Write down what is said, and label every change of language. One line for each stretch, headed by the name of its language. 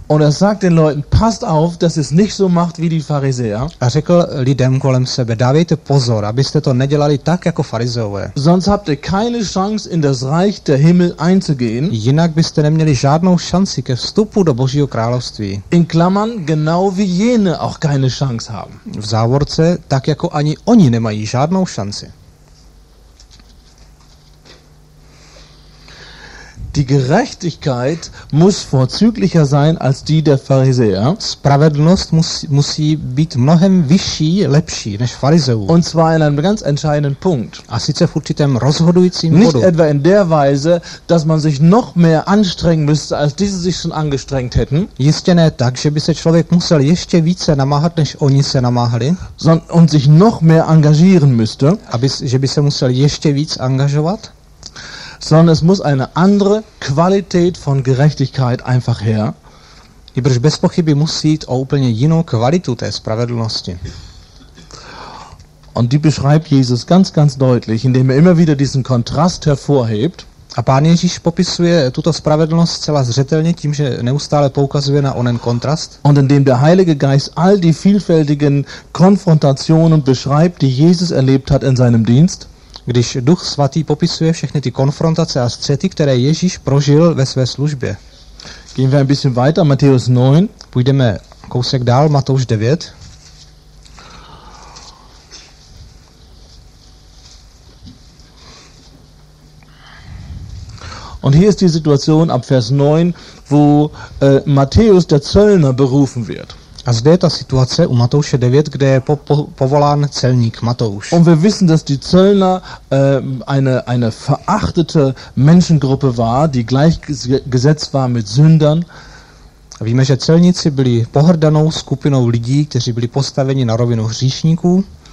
German: Und er sagt den Leuten, passt auf, dass es nicht so macht wie die Pharisäer.
Czech: A řekl lidem kolem sebe, dávejte pozor, abyste to nedělali tak jako farizeové.
German: Sonst habt ihr keine Chance in das Reich der Himmel einzugehen.
Czech: Jinak byste neměli žádnou šanci ke vstupu do Božího království.
German: In Klammern, genau wie jene auch keine Chance haben.
Czech: V závorce, tak jako ani oni nemají žádnou šanci.
German: Die Gerechtigkeit muss vorzüglicher sein als die der Pharisäer.
Czech: Spravedlnost musí být mnohem vyšší, lepší než farizeů.
German: Und zwar in einem ganz entscheidenden Punkt.
Czech: A sice v určitém rozhodujícím bodu.
German: Nicht etwa in der Weise, dass man sich noch mehr anstrengen müsste, als diese sich schon angestrengt hätten.
Czech: Jistě ne tak, že by se člověk musel ještě více namáhat, než oni se namáhali.
German: Und sich noch mehr engagieren müsste.
Czech: Že by se musel ještě víc angažovat.
German: Sondern es muss eine andere Qualität von Gerechtigkeit einfach her.
Czech: Ibrž bez pochyby musí jít o úplně jinou kvalitu té spravedlnosti.
German: Und die beschreibt Jesus ganz, ganz deutlich, indem er immer wieder diesen Kontrast hervorhebt.
Czech: A Pán Ježíš popisuje tuto spravedlnost zcela zřetelně tím, že neustále poukazuje na onen kontrast.
German: Und indem der Heilige Geist all die vielfältigen Konfrontationen beschreibt, die Jesus erlebt hat in seinem Dienst.
Czech: Když Duch svatý popisuje všechny ty konfrontace a střety, které Ježíš prožil ve své službě.
German: Gehen wir ein bisschen weiter, Matthäus 9.
Czech: Půjdeme kousek dál, Matouš 9.
German: Und hier ist die Situation ab Vers 9, wo Matthäus der Zöllner berufen wird.
Czech: A zde je ta situace u Matouše 9, kde je povolán celník Matouš.
German: Und wir wissen, dass die Zöllner eine verachtete Menschengruppe war, die gleichgesetzt war mit Sündern.
Czech: A víme, že celníci byli pohrdanou skupinou lidí, kteří byli postaveni na rovinu hříšníků.